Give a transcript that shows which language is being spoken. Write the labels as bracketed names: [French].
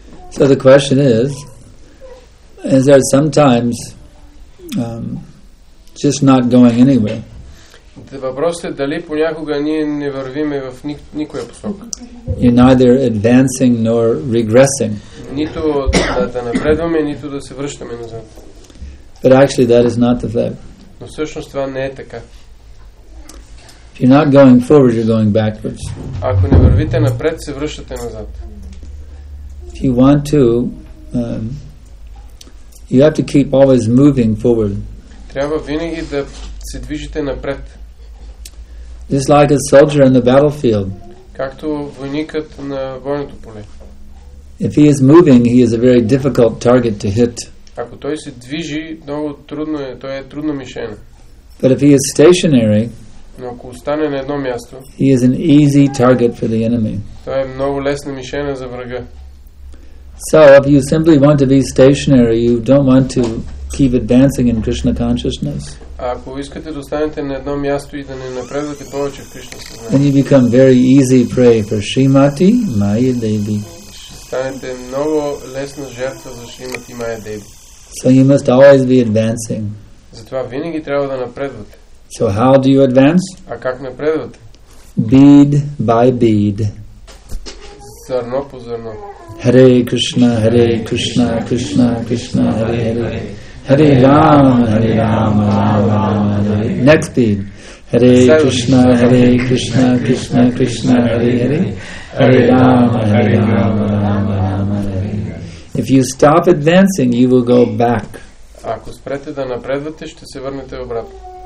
[English] So the question is there sometimes just not going anywhere? The [Bulgarian] въпрос е дали понякога ние не вървиме в никоя посока. [English] You're neither advancing nor regressing. [Bulgarian] Нито да напредваме, нито да се връщаме назад. [English] But actually that is not the fact. [Bulgarian] Но всъщност това не е така. [English] If you're not going forward, you're going backwards. [Bulgarian] Ако не вървите напред, се връщате назад. [English] If you want to, you have to keep always moving forward. [Bulgarian] Трябва винаги да се движите напред. [English] Just like a soldier on the battlefield. [Bulgarian] Както войникът на бойното поле. [English] If he is moving, he is a very difficult target to hit. [Bulgarian] Ако той се движи, много трудно е, той е трудна мишена. [English] But if he is stationary, [Bulgarian] но ако остане на едно място, [English] he is an easy target for the enemy. [Bulgarian] Той е много лесна мишена за врага. [English] So if you simply want to be stationary, you don't want to keep advancing in Krishna consciousness. [Bulgarian] Ако искате да останете на едно място и да не напредвате повече в Кришна съзнание, [English] then you become very easy prey for Shrimati Maya Devi. [Bulgarian] Станете много лесна жертва за Shrimati Maya Devi. [English] So you must always be advancing. [Bulgarian] Затова винаги трябва да напредвате. [English] So how do you advance? [Bulgarian] А как напредвате? [English] Bead by bead. [Bulgarian] Зърно по зърно. [Sanskrit] Hare Krishna, Hare Krishna, Krishna Krishna, Hare Hare. Hare Rama, Hare Rama, Rama Rama, Hare. [English] Next bead. [Sanskrit] Hare Krishna, Hare Krishna, Krishna Krishna, Hare Hare. Hare Rama, Hare Rama, Rama Rama, Hare. [English] If you stop advancing, you will go back. [Bulgarian] Ако спрете да напредвате, ще се върнете обратно.